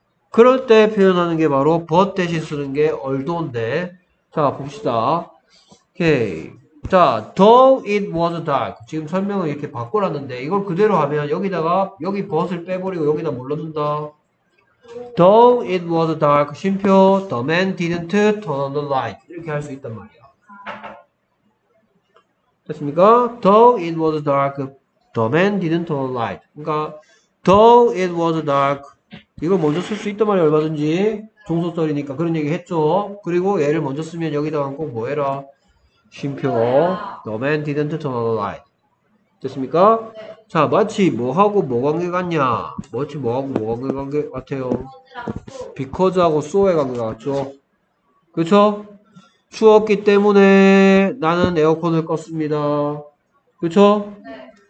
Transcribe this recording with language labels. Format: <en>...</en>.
<ko>그럴 때 표현하는 게 바로 but 대신 쓰는 게 although인데. 자, 봅시다. 오케이. 자,</ko> <en>though it was dark.</en> <ko>지금 설명을 이렇게 바꿔놨는데 이걸 그대로 하면 여기다가 여기 but을 빼버리고 여기다 물러둔다.</ko> <en>Though it was a dark</en> <ko>쉼표,</ko> <en>the man didn't turn on the light.</en> <ko>이렇게 할 수 있단 말이야. 됐습니까?</ko> <en>Though it was a dark, the man didn't turn on the light.</en> <ko>그러니까,</ko> <en>though it was a dark,</en> <ko>이걸 먼저 쓸 수 있단 말이야, 얼마든지. 종소설이니까 그런 얘기 했죠. 그리고 얘를 먼저 쓰면 여기다가 꼭 뭐 해라? 쉼표,</ko> <en>the man didn't turn on the light.</en> <ko>됐습니까? 네. 자, 마치 뭐하고 뭐 관계 같냐? 마치 뭐하고 뭐 관계 같아요? because하고 so의 관계 같죠? 그쵸? 추웠기 때문에 나는 에어컨을 껐습니다. 그쵸? 네.</ko>